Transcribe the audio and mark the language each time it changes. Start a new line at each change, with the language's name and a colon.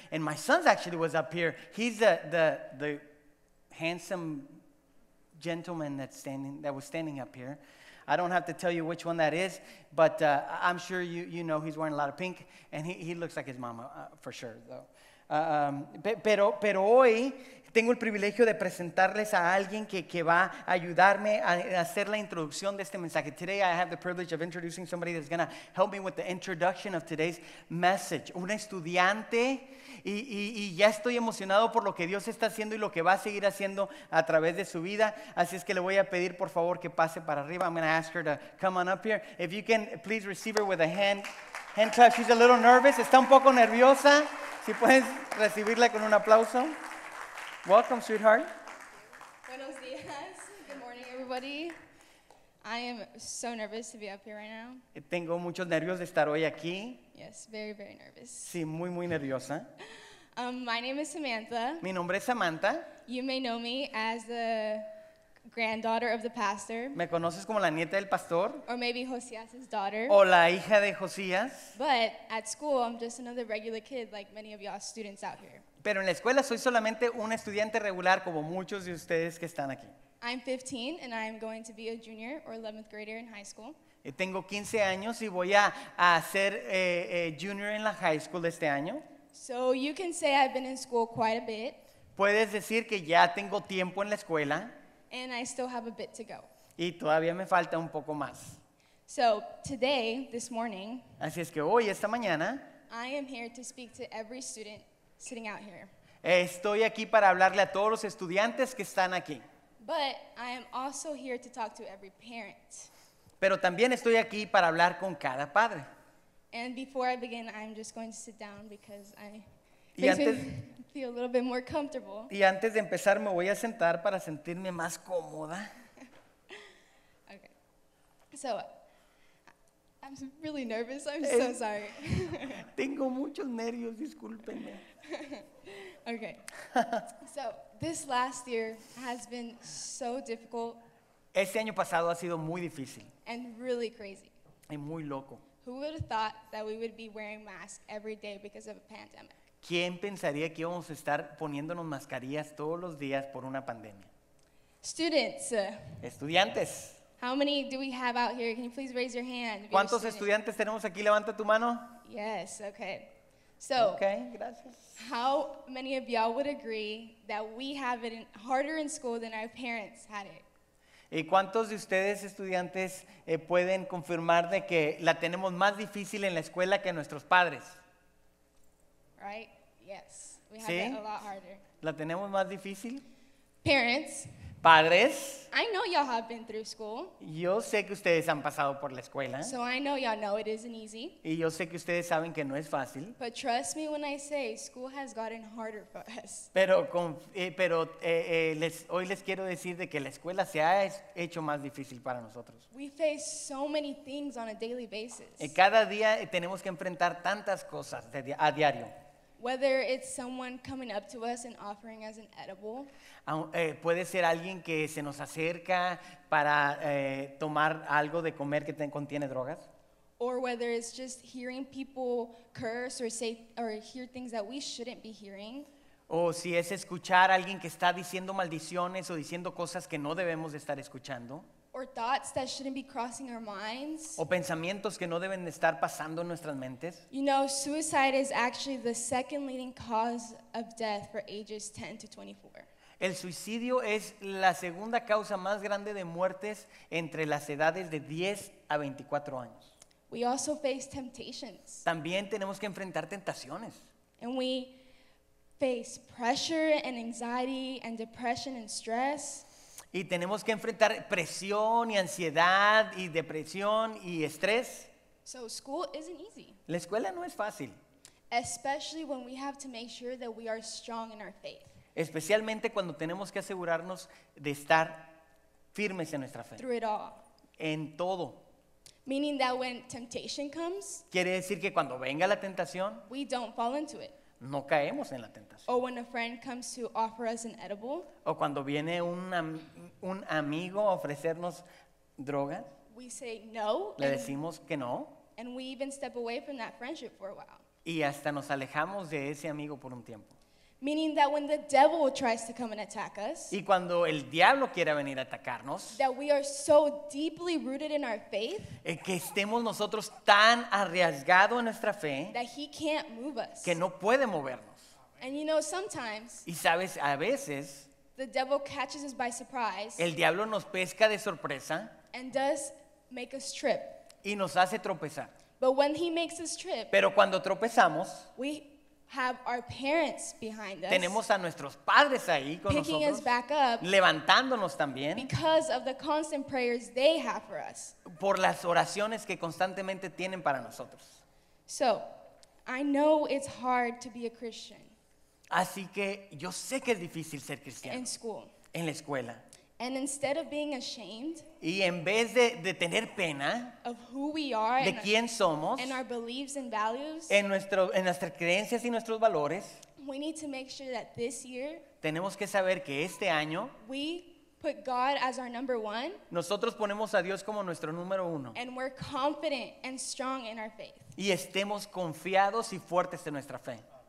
English: And my son's actually was up here. He's the handsome gentleman that was standing up here. I don't have to tell you which one that is, but I'm sure you know he's wearing a lot of pink, and he looks like his mama for sure, though.
Spanish: Pero hoy tengo el privilegio de presentarles a alguien que va a ayudarme a hacer la introducción de este mensaje.
English: Today I have the privilege of introducing somebody that's going to help me with the introduction of today's message.
Spanish: Un estudiante, y ya estoy emocionado por lo que Dios está haciendo y lo que va a seguir haciendo a través de su vida. Así es que le voy a pedir, por favor, que pase para arriba.
English: I'm going to ask her to come on up here. If you can, please receive her with a hand clap. She's a little nervous.
Spanish: Está un poco nerviosa. Si puedes recibirla con un aplauso.
English: Welcome, sweetheart.
Spanish: Buenos días.
English: Good morning, everybody. I am so nervous to be up here right now.
Spanish: Tengo muchos nervios de estar hoy aquí.
English: Yes, very, very nervous.
Spanish: Sí, muy, muy nerviosa.
English: My name is Samantha.
Spanish: Mi nombre es Samantha.
English: You may know me as the granddaughter of the pastor.
Spanish: ¿Me conoces como la nieta del pastor?
English: Or maybe Josias's daughter.
Spanish: O la hija de Josías.
English: But at school, I'm just another regular kid like many of y'all students out here.
Spanish: Pero en la escuela soy solamente un estudiante regular como muchos de ustedes que están aquí.
English: I'm 15 and I'm going to be a junior or 11th grader in high school.
Spanish: Tengo 15 años y voy a ser junior en la high school este año.
English: So you can say I've been in school quite a bit.
Spanish: Puedes decir que ya tengo tiempo en la escuela.
English: And I still have a bit to go.
Spanish: Y todavía me falta un poco más.
English: So today, this morning,
Spanish: así es que hoy, esta mañana,
English: I am here to speak to every student sitting out here.
Spanish: Estoy aquí para hablarle a todos los estudiantes que están aquí.
English: But I am also here to talk to every parent.
Spanish: Pero también estoy aquí para hablar con cada padre.
English: And before I begin, I'm just going to sit down because I makes me feel a little bit more comfortable.
Spanish: Y antes de empezar, me voy a sentar para sentirme más cómoda.
English: Okay. So, I'm really nervous. I'm so sorry.
Spanish: Tengo muchos nervios, discúlpenme.
English: Okay. So, this last year has been so difficult.
Spanish: Este año pasado ha sido muy difícil.
English: And really crazy.
Spanish: Y muy loco.
English: Who would have thought that we would be wearing masks every day because of a pandemic?
Spanish: ¿Quién pensaría que íbamos a estar poniéndonos mascarillas todos los días por una pandemia?
English: Students.
Spanish: Estudiantes.
English: How many do we have out here? Can you please raise your hand?
Spanish: ¿Cuántos estudiantes tenemos aquí? Levanta tu mano.
English: Yes, okay. So,
Spanish: okay, gracias.
English: How many of y'all would agree that we have it harder in school than our parents had it?
Spanish: ¿Y cuántos de ustedes, estudiantes, pueden confirmar de que la tenemos más difícil en la escuela que nuestros padres?
English: Right? Yes. We have
Spanish: ¿Sí?
English: It a lot harder.
Spanish: ¿La tenemos más difícil?
English: Parents.
Spanish: Padres.
English: I know y'all have been through school.
Spanish: Yo sé que ustedes han pasado por la escuela.
English: So I know y'all know it isn't easy.
Spanish: Y yo sé que ustedes saben que no es fácil.
English: But trust me when I say school has gotten harder for us.
Spanish: Pero hoy les quiero decir de que la escuela se ha hecho más difícil para nosotros.
English: We face so many things on a daily basis.
Spanish: Y cada día tenemos que enfrentar tantas cosas a diario.
English: Whether it's someone coming up to us and offering us an edible.
Spanish: Puede ser alguien que se nos acerca para tomar algo de comer que contiene drogas.
English: Or whether it's just hearing people curse or say or hear things that we shouldn't be hearing.
Spanish: O si es escuchar a alguien que está diciendo maldiciones o diciendo cosas que no debemos de estar escuchando.
English: Or thoughts that shouldn't be crossing our minds.
Spanish: O pensamientos que no deben estar pasando en nuestras mentes.
English: You know, suicide is actually the second leading cause of death for ages 10 to 24.
Spanish: El suicidio es la segunda causa más grande de muertes entre las edades de 10 a 24 años.
English: We also face temptations.
Spanish: También tenemos que enfrentar tentaciones.
English: And we face pressure and anxiety and depression and stress.
Spanish: Y tenemos que enfrentar presión y ansiedad y depresión y estrés.
English: So school isn't easy.
Spanish: La escuela no es fácil.
English: Especially when we have to make sure that we are strong in our faith.
Spanish: Especialmente cuando tenemos que asegurarnos de estar firmes en nuestra fe.
English: Through it all.
Spanish: En todo.
English: Meaning that when temptation comes.
Spanish: Quiere decir que cuando venga la tentación.
English: We don't fall into it.
Spanish: No caemos en la tentación.
English: Or when a friend comes to offer us an edible.
Spanish: O cuando viene un amigo a ofrecernos droga.
English: We say no.
Spanish: Le decimos que no.
English: And we even step away from that friendship for a while.
Spanish: Y hasta nos alejamos de ese amigo por un tiempo.
English: Meaning that when the devil tries to come and attack us.
Spanish: Y cuando el diablo quiera venir a atacarnos.
English: That we are so deeply rooted in our faith.
Spanish: Que estemos nosotros tan arriesgados en nuestra fe.
English: That he can't move us.
Spanish: Que no puede movernos.
English: And you know, sometimes.
Spanish: Y sabes, a veces.
English: The devil catches us by surprise.
Spanish: El diablo nos pesca de sorpresa.
English: And does make us trip.
Spanish: Y nos hace tropezar.
English: But when he makes us trip.
Spanish: Pero cuando tropezamos.
English: We have our parents behind us.
Spanish: Tenemos a nuestros padres ahí con nosotros.
English: Picking us back up.
Spanish: Levantándonos también.
English: Because of the constant prayers they have for us.
Spanish: Por las oraciones que constantemente tienen para nosotros.
English: So, I know it's hard to be a Christian.
Spanish: Así que yo sé que es difícil ser cristiano.
English: In school.
Spanish: En la escuela.
English: And instead of being ashamed.
Spanish: Y en vez de tener pena.
English: Of who we are.
Spanish: De quién somos.
English: And our beliefs and values.
Spanish: En nuestras creencias y nuestros valores.
English: We need to make sure that this year.
Spanish: Tenemos que saber que este año.
English: We put God as our number one.
Spanish: Nosotros ponemos a Dios como nuestro número uno.
English: And we're confident and strong in our faith.
Spanish: Y estemos confiados y fuertes en nuestra fe.